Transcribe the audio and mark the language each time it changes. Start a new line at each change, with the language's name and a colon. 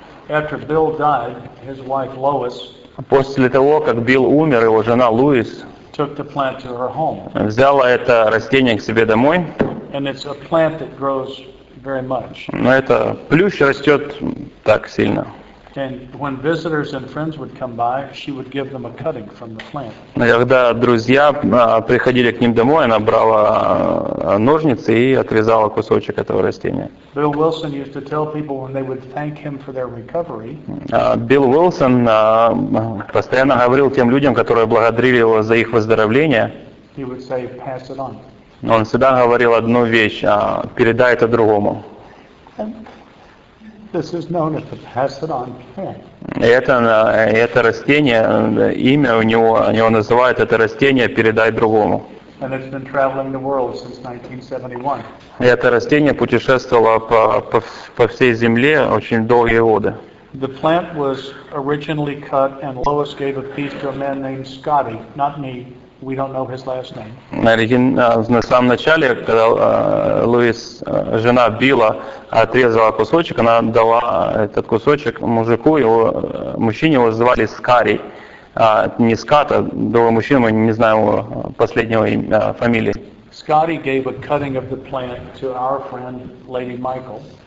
English: After Bill died, his wife Lois,
Russian: после того, как Билл умер, его жена Луис
English: took the plant to her home.
Russian: Взяла это растение к себе домой.
English: And it's a plant that grows very much.
Russian: Но это плющ растет так сильно.
English: And when visitors and friends would come by, she would give them a cutting from the plant.
Russian: Когда друзья приходили к ним домой, она брала ножницы и отрезала кусочек этого растения.
English: Bill Wilson used to tell people when they would thank him for their recovery.
Russian: Bill Wilson постоянно говорил тем людям, которые благодарили его за их выздоровление.
English: He would say, "Pass it on."
Russian: Он всегда говорил одну вещь: передай это другому.
English: This is known as the pass it on plant.
Russian: Это растение, имя у него называют это растение передай другому.
English: And it's been traveling the world since 1971.
Russian: Это растение путешествовало по всей земле очень долгие годы.
English: The plant was originally cut and Lois gave a piece to a man named Scotty, not me. We don't know his last name.
Russian: На самом начале, когда Луис, жена Билла, отрезала кусочек, она дала этот кусочек мужику, мужчине его звали Скари. Не Скат, а другой мужчина, мы не знаем его последнего фамилии.
English: Scotty gave a cutting of the plant to our friend Lady Michael.